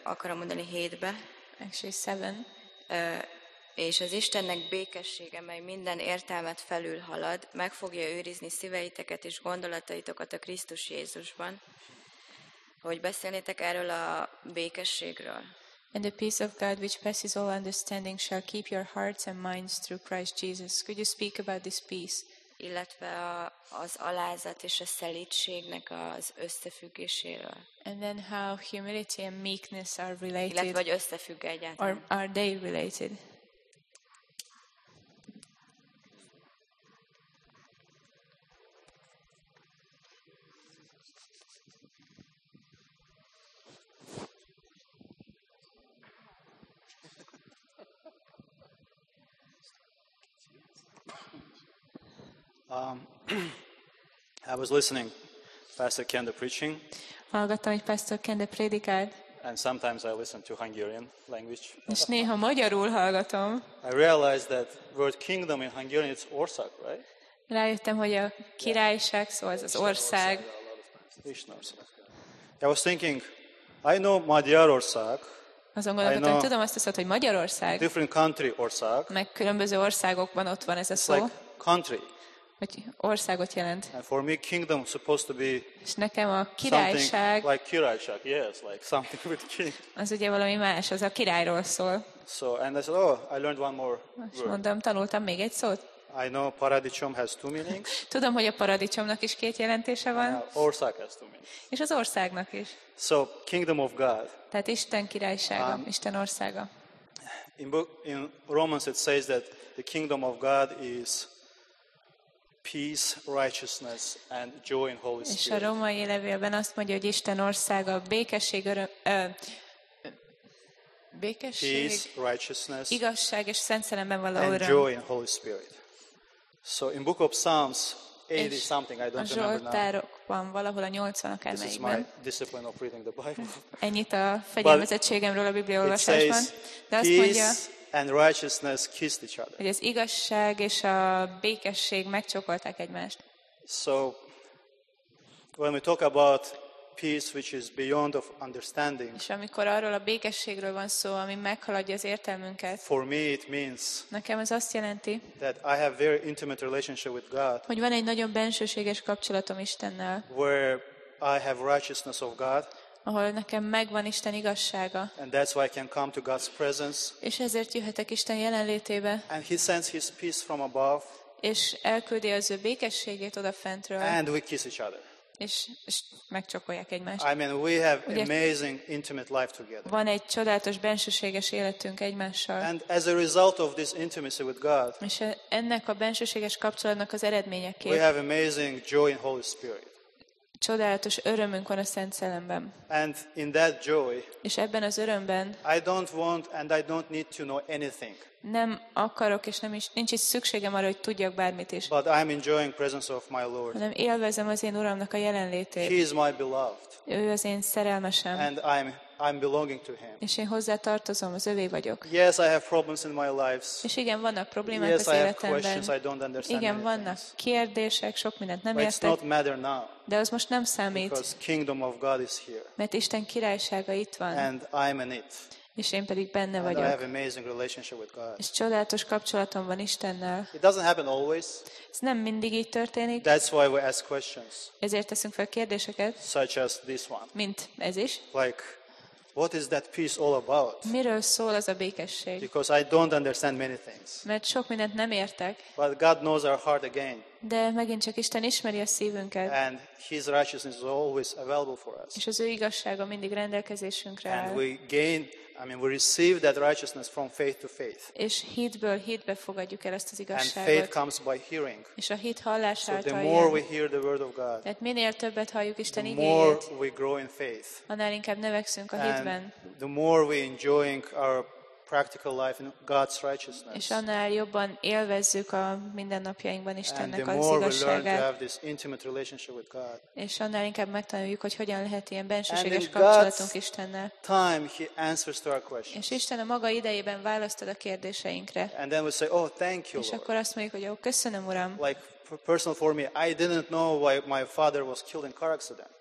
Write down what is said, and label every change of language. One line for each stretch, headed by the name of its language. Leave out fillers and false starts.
Hungarian: Akarom mondani 7-be.
English: Actually 7.
Hungarian: És az Istennek békessége, mely minden értelmet felülhalad, meg fogja őrizni szíveiteket és gondolataitokat a Krisztus Jézusban. Hogy beszélnétek erről a békességről?
English: And the peace of God, which passes all understanding, shall keep your hearts and minds through Christ Jesus. Could you speak about this peace?
Hungarian: Illetve a az alázat és a szelídségnek az összefüggéséről.
English: And then how humility and meekness are related.
Hungarian: Illetve, vagy összefügg egyáltalán.
English: Or are they related? I was listening to Pastor Kende preaching.
Hungarian: Hallgattam egy Pastor Kende prédikát.
English: And sometimes I listen to Hungarian language.
Hungarian: És néha magyarul hallgatom.
English: I realized that word kingdom in Hungarian it's ország, right?
Hungarian: Rájöttem, hogy a királyság szó az ország.
English: I was thinking, I know Magyarország.
Hungarian: Azon gondolkodtam, hogy tudom azt a szót, hogy Magyarország.
English: Different country ország.
Hungarian: Meg különböző országokban ott van ez a szó.
English: Like country.
Hungarian: Hogy országot jelent.
English: And for me, kingdom supposed to be.
Hungarian: És nekem a királyság.
English: Like királyság, yes, like something with king.
Hungarian: Az ugye valami más, az a királyról szól.
English: So and I said, oh, I learned one more word.
Hungarian: Mondtam, tanultam még egy szót.
English: I know paradicsom has two meanings.
Hungarian: Tudom, hogy a paradicsomnak is két jelentése van.
English: Ország has two meanings.
Hungarian: És az országnak is.
English: So kingdom of God.
Hungarian: Tehát Isten királysága, Isten országa.
English: In Romans it says that the kingdom of God is peace, righteousness and joy in Holy Spirit.
Hungarian: És a római levélben azt mondja, hogy Isten országa békesség, békesség,
English: peace, righteousness,
Hungarian: igazság és Szent Szellemben való öröm.
English: And joy in Holy Spirit. So in Book of Psalms 80 és something I don't remember now.
Hungarian: A Zsoltárokban valahol a 80-ak elmeiben.
English: This is my discipline of reading the Bible.
Hungarian: Ennyit a fegyelmezettségemről a Biblia olvasásban.
English: It says, peace, mondja, and righteousness kissed each other.
Hungarian: Hogy az igazság és a békesség megcsókolták egymást.
English: So when we talk about peace which is beyond of understanding.
Hungarian: És amikor arról a békességről van szó, ami meghaladja az értelmünket.
English: For me it means.
Hungarian: Nekem ez azt jelenti.
English: That I have very intimate relationship with God.
Hungarian: Hogy van egy nagyon bensőséges kapcsolatom Istennel.
English: Where I have righteousness of God.
Hungarian: Ahol nekem megvan Isten igazsága.
English: And that's why I can come to God's presence.
Hungarian: És ezért jöhetek Isten jelenlétébe.
English: And he sends his peace from above.
Hungarian: És elküldi az ő békességét odafentről.
English: And we kiss each other.
Hungarian: És megcsokolják egymást.
English: I mean, we have amazing intimate life together.
Hungarian: Van egy csodálatos bensőséges életünk egymással.
English: And as a result of this intimacy with God.
Hungarian: És ennek a bensőséges kapcsolatnak az eredményeképp.
English: We have amazing joy in Holy Spirit.
Hungarian: Csodálatos örömünk van a Szent Szellemben.
English: And in that joy,
Hungarian: és ebben az örömben
English: I don't want and I don't need to know anything.
Hungarian: Nem akarok és nem is, nincs is szükségem arra, hogy tudjak bármit is.
English: But I'm enjoying presence of my Lord.
Hungarian: Hanem élvezem az én Uramnak a jelenlétét.
English: He is my beloved.
Hungarian: Ő az én szerelmesem.
English: And I'm belonging to him.
Hungarian: És én hozzá tartozom, az övé vagyok.
English: Yes, I have problems in my life.
Hungarian: És igen, vannak problémák
English: yes,
Hungarian: az életemben.
English: Yes, I have questions, I don't understand.
Hungarian: Igen, vannak
English: things.
Hungarian: Kérdések, sok mindent nem
English: But
Hungarian: értek.
English: It's not matter now.
Hungarian: De az most nem számít.
English: Because kingdom of God is here.
Hungarian: Mert Isten királysága itt van.
English: And I'm in it.
Hungarian: És én pedig benne
English: and
Hungarian: vagyok.
English: I have amazing relationship with God.
Hungarian: És csodálatos kapcsolatom van Istennel.
English: It doesn't happen always.
Hungarian: Ez nem mindig így történik.
English: That's why we ask questions.
Hungarian: Ezért teszünk fel kérdéseket.
English: Such as this one.
Hungarian: Mint ez is.
English: Like, what is that peace all about?
Hungarian: Miről szól ez a békesség?
English: Because I don't understand many things.
Hungarian: Mert sok mindent nem értek.
English: But God knows our heart again.
Hungarian: De megint csak Isten ismeri a szívünket.
English: And his righteousness is always available for us.
Hungarian: És az ő igazsága mindig rendelkezésünkre áll.
English: And we gain, I mean, we receive that righteousness from faith to faith.
Hungarian: És hitből hitbe fogadjuk el ezt az igazságot.
English: And faith comes by hearing.
Hungarian: És a hit hallás által.
English: So the more we hear the word of God.
Hungarian: Tehát minél többet halljuk Isten igéjét.
English: The more we grow in faith.
Hungarian: Annál inkább növekszünk a hitben.
English: And the more we enjoying our practical life in God's righteousness.
Hungarian: És annál jobban élvezzük a mindennapjainkban Istennek az igazságát.
English: And the more we learn to have this intimate relationship with God.
Hungarian: És annál inkább megtanuljuk, hogy hogyan lehet ilyen bensőséges kapcsolatunk Istennel.
English: Time he answers to our questions.
Hungarian: És Isten a maga idejében választ a kérdéseinkre.
English: And then we say, oh, thank you, Lord.
Hungarian: És akkor azt mondjuk, hogy oh, köszönöm, Uram.
English: Like personal for me, I didn't know why my father was killed in car accident.